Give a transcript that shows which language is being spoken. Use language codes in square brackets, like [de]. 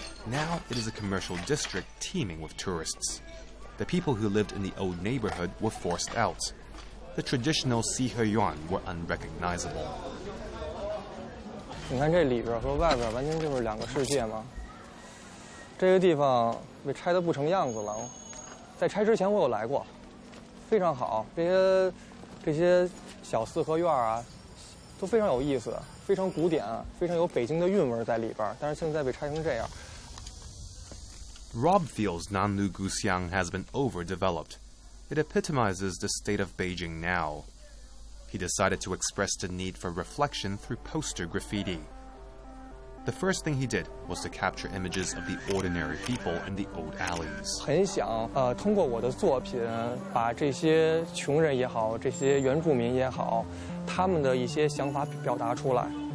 [en] Now it is a commercial district teeming with tourists. The people who lived in the old neighborhood were forced out. The traditional Sihe Yuan were unrecognizable. You see, this inside and outside are completely different worlds. This place has been torn down to no look. Before the tearing, I have been here. [zh] 非常好，这些小四合院啊，都非常有意思，非常古典，非常有北京的韵味在里边。但是现在被拆成这样。 [en] Rob feels Nanlu Guxiang has been overdeveloped. It epitomizes the state of Beijing now. He decided to express the need for reflection through poster graffiti. The first thing he did was to capture images of the ordinary people in the old alleys. [zh] 很想通过我的作品把这些穷人也好，这些原住民也好，他们的一些想法表达出来。